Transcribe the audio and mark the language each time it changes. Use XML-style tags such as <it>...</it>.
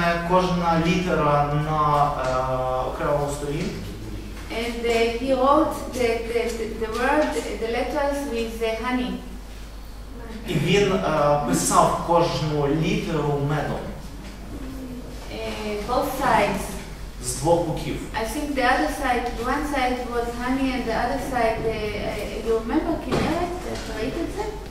<uk>Кожна літера на окремому столі.</uk> <en>And he wrote the word, the letters with the honey.</en> <uk>І він писав кожну літеру медом.</uk> <en>Both sides.</en> <uk>З двох боків.</uk> <en>I think the other side, one side was honey and the other side, you remember Kinneret that created them?</en>